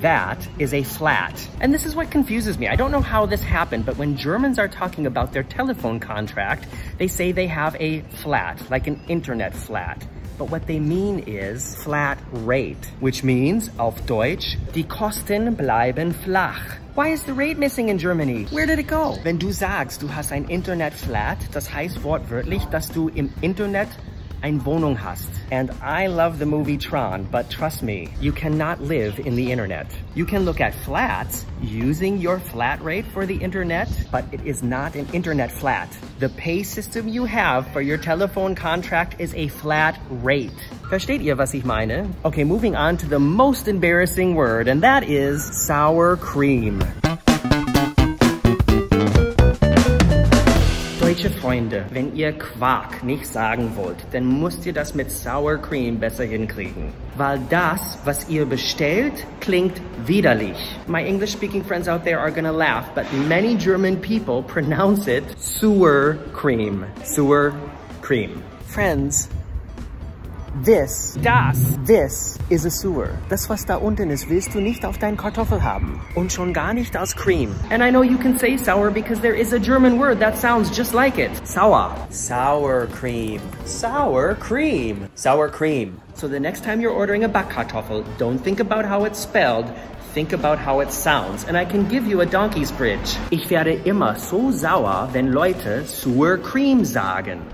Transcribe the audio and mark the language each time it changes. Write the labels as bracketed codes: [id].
[en] That is a flat. And this is what confuses me. I don't know how this happened, but when Germans are talking about their telephone contract, they say they have a flat, like an internet flat. But what they mean is flat rate, which means, [de] auf Deutsch, die Kosten bleiben flach. [en] Why is the rate missing in Germany? Where did it go? [de] Wenn du sagst, du hast ein Internet flat, das heißt wortwörtlich, dass du im Internet ein Wohnung hast. [en] And I love the movie Tron, but trust me, you cannot live in the internet. You can look at flats using your flat rate for the internet, but it is not an internet flat. The pay system you have for your telephone contract is a flat rate. [de] Versteht ihr, was ich meine? [en] Okay, moving on to the most embarrassing word, and that is sour cream. [de] Deutsche Freunde, wenn ihr Quark nicht sagen wollt, dann müsst ihr das mit Sour Cream besser hinkriegen. Weil das, was ihr bestellt, klingt widerlich. [en] My English-speaking friends out there are gonna laugh, but many German people pronounce it Sour Cream. Sour Cream. Friends, this, [de] das, [en] this is a sewer. [de] Das, was da unten ist, willst du nicht auf deinen Kartoffel haben. Und schon gar nicht als Cream. [en] And I know you can say sour because there is a German word that sounds just like it. [de] Sauer. [en] Sour cream. Sour cream. Sour cream. So the next time you're ordering a Backkartoffel, don't think about how it's spelled, think about how it sounds. And I can give you a donkey's bridge. [de] Ich werde immer so sauer, wenn Leute sour cream sagen.